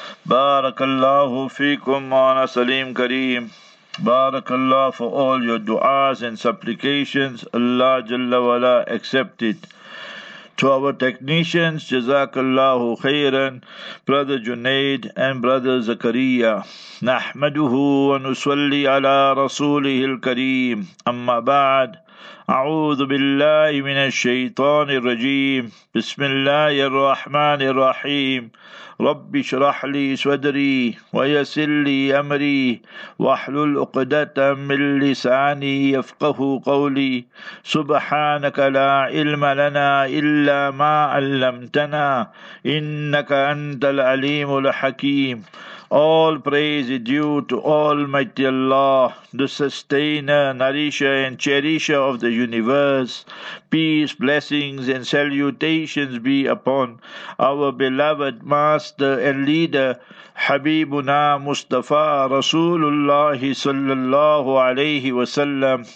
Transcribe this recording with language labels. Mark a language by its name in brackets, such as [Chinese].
[Arabic] بارك الله فيكم مولانا سليم كريم, بارك الله [English] for all your du'as and supplications. Allah Jalla Wala accept it. To our technicians, Jazakallahu khairan, brother Junaid and brother Zakaria. [Arabic] Nahmaduhu wa nusalli ala rasulihil kareem. Amma ba'd. أعوذ بالله من الشيطان الرجيم. بسم الله الرحمن الرحيم. رب اشرح لي صدري ويسر لي أمري واحلل عقدة من لساني يفقه قولي. سبحانك لا علم لنا إلا ما علمتنا إنك أنت العليم الحكيم. [English] All praise is due to Almighty Allah, the sustainer, nourisher and cherisher of the universe. Peace, blessings and salutations be upon our beloved master and leader, Habibuna Mustafa Rasulullah sallallahu alayhi wa sallam.